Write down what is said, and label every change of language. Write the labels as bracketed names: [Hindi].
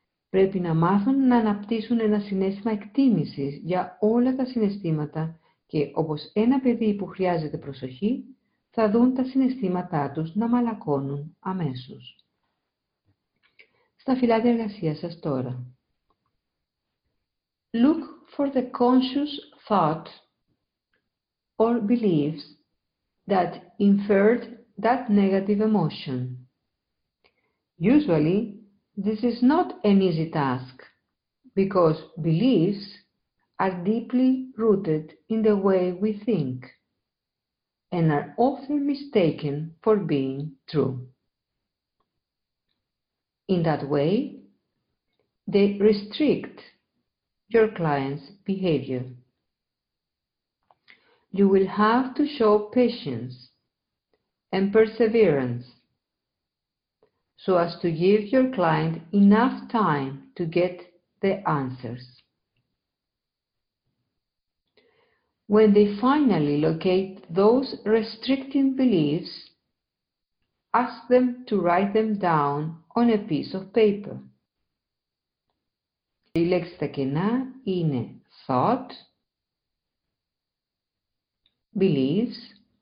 [Greek] Πρέπει να μάθουν να αναπτύσσουν ένα συνέστημα εκτίμησης για όλα τα συναισθήματα και όπως ένα παιδί που χρειάζεται προσοχή, θα δουν τα συναισθήματά τους να μαλακώνουν αμέσως. Στα φυλάδια εργασίας σας τώρα. [English] Look for the conscious thought or beliefs that inferred that negative emotion. Usually, this is not an easy task because beliefs are deeply rooted in the way we think and are often mistaken for being true. In that way, they restrict your client's behavior. You will have to show patience and perseverance so as to give your client enough time to get the answers. When they finally locate those restricting beliefs, ask them to write them down on a piece of paper. [Greek] Η λέξη στα κενά είναι thought, beliefs,